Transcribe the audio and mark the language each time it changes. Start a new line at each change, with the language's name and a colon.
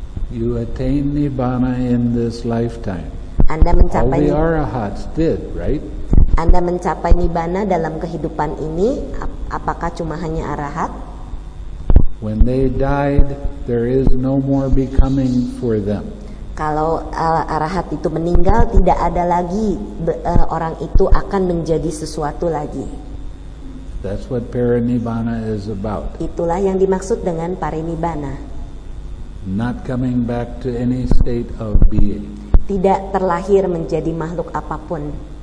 English: You attain Nibbana in this lifetime.
Indonesian: Anda mencapai.
English: All the arahats did, right?
Indonesian: Anda mencapai Nibbana dalam kehidupan ini, apakah cuma hanya arahat?
English: When they died, there is no more becoming for them.
Indonesian: Kalau arahat itu meninggal, tidak ada lagi orang itu akan menjadi sesuatu lagi.
English: That's what Parinibbana is about.
Indonesian: Itulah yang dimaksud dengan Parinibbana.
English: Not coming back to any state of being.
Indonesian: Tidak terlahir menjadi makhluk apapun.